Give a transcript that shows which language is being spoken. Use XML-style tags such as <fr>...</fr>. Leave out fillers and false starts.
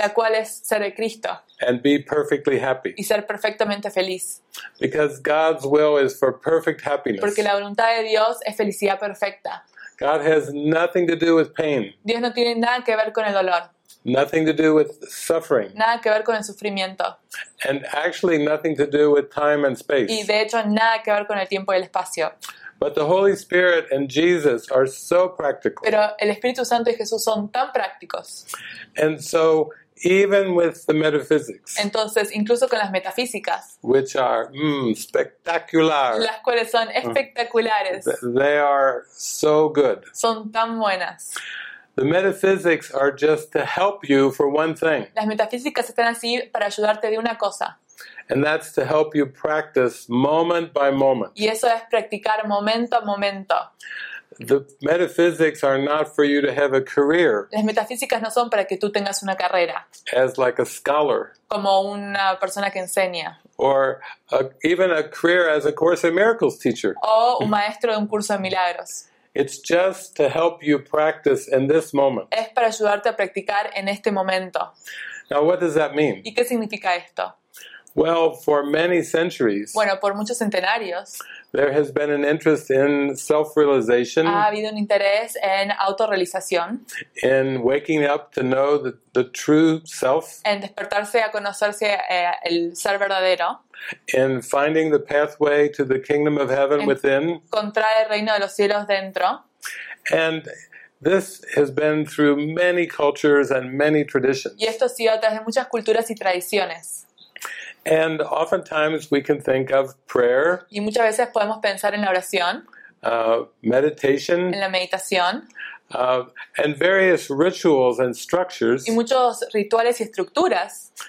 <es>La cual es ser el Cristo.</es> <en>And be perfectly happy.</en> <es>Y ser perfectamente feliz.</es> <en>Because God's will is for perfect happiness.</en> <es>Porque la voluntad de Dios es felicidad perfecta.</es> <en>God has nothing to do with pain.</en> <es>Dios no tiene nada que ver con el dolor.</es> <en>Nothing to do with suffering.</en> <es>Nada que ver con el sufrimiento.</es> <en>And actually nothing to do with time and space.</en> <es>Y de hecho nada que ver con el tiempo y el espacio.</es> <en>But the Holy Spirit and Jesus are so practical.</en> <es>Pero el Espíritu Santo y Jesús son tan prácticos.</es> <en>And so even with the metaphysics.</en> <es>Entonces, incluso con las metafísicas.</es> <en>Which are spectacular.</en> <es>Las cuales son espectaculares.</es> <en>They are so good.</en> <es>Son tan buenas.</es> <en>The metaphysics are just to help you for one thing.</en> <es>Las metafísicas están así para ayudarte de una cosa.</es> <en>And that's to help you practice moment by moment.</en> <es>Y eso es practicar momento a momento.</es> <en>The metaphysics are not for you to have a career.</en> <es>Las metafísicas no son para que tú tengas una carrera.</es> <en>As like a scholar.</en> <es>Como una persona que enseña.</es> <en>Or even a career as a Course in Miracles teacher.</en> <es>O un maestro de un curso de milagros.</es> <en>It's just to help you practice in this moment.</en> <es>Es para ayudarte a practicar en este momento.</es> <en>Now what does that mean?</en> <es>¿Y qué significa esto?</es> <en>Well, for many centuries,</en> <es>bueno, por muchos centenarios,</es> <en>there has been an interest in self-realization.</en> <es>Ha habido un interés en autorrealización.</es> <en>In waking up to know the true self.</en> <es>En despertarse a conocerse el ser verdadero.</es> <en>In finding the pathway to the kingdom of heaven within.</en> <es>Encontrar el reino de los cielos dentro.</es> <en>And this has been through many cultures and many traditions.</en> <es>Y esto ha sido a través de muchas culturas y tradiciones.</es> <en>And oftentimes we can think of prayer.</en> <es>Y muchas veces podemos pensar en la oración.</es> <en>Meditation.</en> <es>En la meditación.</es> <en>And various rituals and structures.</en> <es>Y muchos rituales y estructuras.</es>